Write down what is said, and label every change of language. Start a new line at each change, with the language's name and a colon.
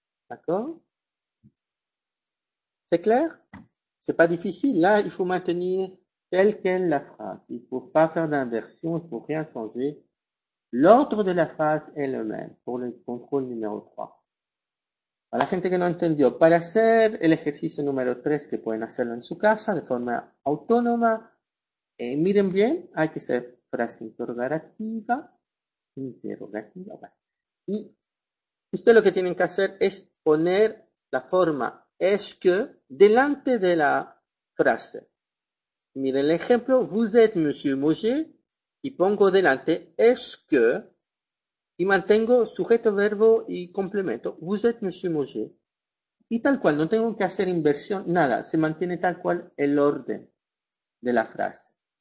French: D'accord? C'est clair? C'est pas difficile. Là, il faut maintenir telle quelle la phrase. Il faut pas faire d'inversion, il faut rien changer. L'ordre de la phrase est le même pour le contrôle numéro 3.
Spanish: Para la gente que no entendió, para hacer el ejercicio número 3, que pueden hacerlo en su casa de forma autónoma, miren bien, hay que hacer frase interrogativa. Y usted lo que tienen que hacer es poner la forma es que delante de la frase. Miren el ejemplo.
French: Vous êtes Monsieur Mauger.
Spanish: Y pongo delante es que. Y mantengo sujeto, verbo y complemento.
French: Vous êtes Monsieur Mauger.
Spanish: Y tal cual. No tengo que hacer inversión. Nada. Se mantiene tal cual el orden de la frase.